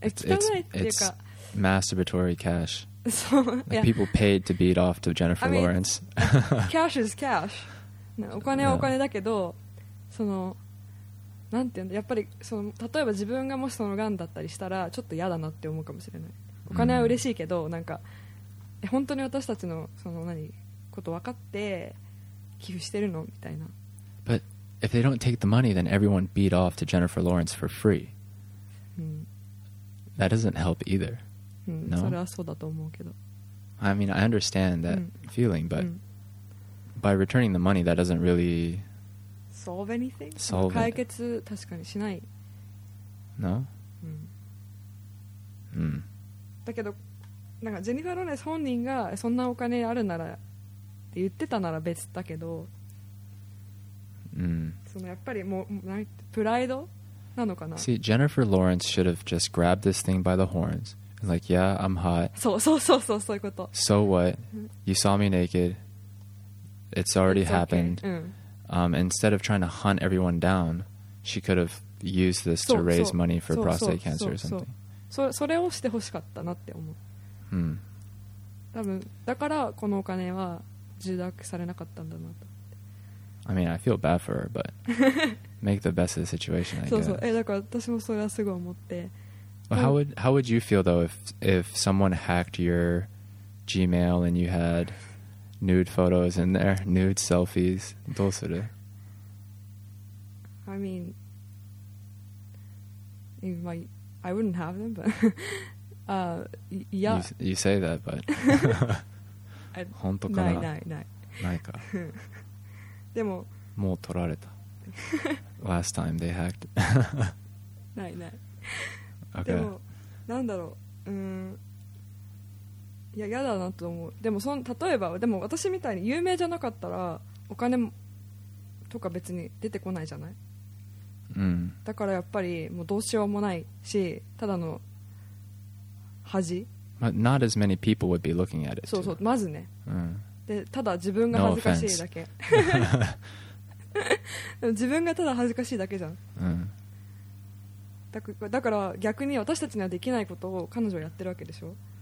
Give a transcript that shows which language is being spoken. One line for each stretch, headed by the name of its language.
Japanese: 本人がリークしちゃってもうどうしようもないからお金を全部寄付しますってみたいに言ってたのね。でも今回はなんかジェニファー・ローレンスがじゃあここのファンデーションに寄付してって言ったわけじゃないでしょ。汚い、そのお金が。汚いっていうか、masturbatory
English: cash. Like people paid to beat off to Jennifer Lawrence. Cash is cash.
Japanese: お金はお金だけど、そのなんていうんだ、やっぱりその例えば自分がもしそのがんだったりしたらちょっと嫌だなって思うかもしれない。お金は嬉しいけど、なんか本当に私たちのその何こと分かって寄付してるのみたいな。
English: But if they don't take the money, then everyone beat off to Jennifer Lawrence for free. That doesn't help either. No?
Japanese: それはそうだと思うけど、
English: I mean, I understand that feeling, but by returning the money, that doesn't really solve anything? Solve
Japanese: it. 解決確かにしない。
English: No?
Japanese: だけど、なんかジェニファー・ローレンス本人がそんなお金あるならって言ってたなら別だけど、そのやっぱりもうなんかプライドなのかな。
English: See, Jennifer Lawrence should have just grabbed this thing by the horns. Like, yeah, I'm hot.
Japanese: そう、そういうこと。
English: So what? You saw me naked. It's already it's happened. Okay. Instead of trying to hunt everyone down, she could have used this to raise money for prostate cancer or something.
Japanese: それをしてほしかったなって思う。多分だからこのお金は受諾されなかったんだなと。
English: I mean, I feel bad for her, but make the best of the situation, I guess.
Japanese: だから私もそれはすごい思って。
English: How would you feel though if someone hacked your Gmail and you had nude photos in there, nude selfies.
Japanese: どうする?
English: I mean, I wouldn't have them, but yeah. You say that, but
Japanese: 本当かな? ないないか。でも、もう取られた。
English: Last time they hacked.
Japanese: ない。 Okay. でも、なんだろう。いや、嫌だなと思う。でも例えば、でも私みたいに有名じゃなかったらお金とか別に出てこないじゃない。だからやっぱりもうどうしようもないし、ただの恥。
English: But not as many people would be looking at it.
Japanese: そうそう、まずね。で、ただ自分が恥ずかしいだけ。自分がただ恥ずかしいだけじゃん。だから逆に私たちにはできないことを彼女はやってるわけでしょ。